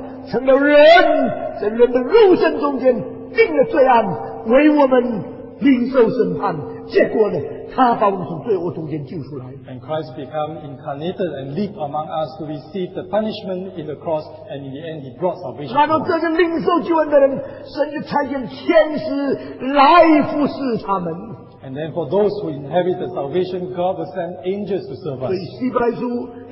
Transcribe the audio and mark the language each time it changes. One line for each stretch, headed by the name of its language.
Chinese: 成了人，在人的肉身中间定了罪案，为我们领受审判。结果呢，他把我们从罪恶中间救出来。
English: And Christ became incarnated and lived among us to receive the punishment in the cross, and in the end, He brought salvation.
Chinese: 然后这个领受救恩的人，神就差遣天使来服侍他们。
English: And then for those who inherit the salvation, God will send angels to serve us.